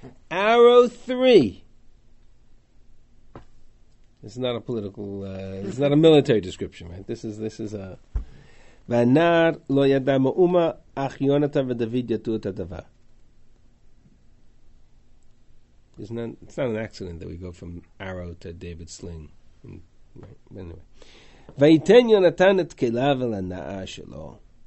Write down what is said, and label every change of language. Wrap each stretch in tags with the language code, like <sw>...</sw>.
<en>Arrow 3. This is not a political, this is not a military description, right? This is a</en> <he>והנער לא ידע מאומה, אך יונתן ודוד ידעו את הדבר.</he> <en>It's not an accident that we go from arrow to David's sling. Anyway.</en> <he>ויתן יונתן את כליו על הנאה שלו.</he>